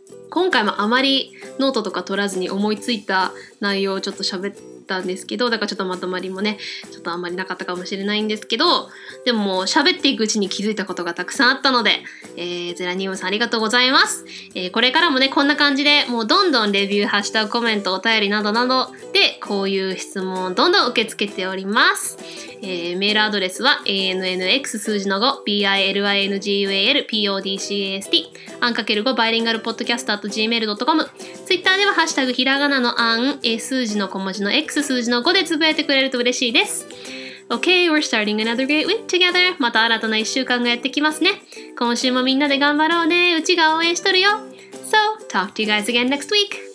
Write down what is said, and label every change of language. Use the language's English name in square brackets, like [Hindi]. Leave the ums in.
[Japanese] 今回もあまりノートとか取らずに思いついた内容をちょっと喋ったんですけどだからちょっとまとまりもねちょっとあんまりなかったかもしれないんですけどでももう喋っていくうちに気づいたことがたくさんあったので、えー、ゼラニウムさんありがとうございます、えー、これからもねこんな感じでもうどんどんレビューハッシュタグコメントお便りなどなどでこういう質問をどんどん受け付けておりますえー、メールアドレスは ANNX 数字の 5BILINGUALPODCAST アンかける ×5 バイリンガルポッドキャスト .gmail.com ツイッターではハッシュタグひらがなのアン数字の小文字の X 数字の5でつぶやいてくれると嬉しいです。 [English] OK, we're starting another great week together. [Japanese] また新たな1週間がやってきますね。今週もみんなで頑張ろうね。うちが応援しとるよ。 [English] So, talk to you guys again next week.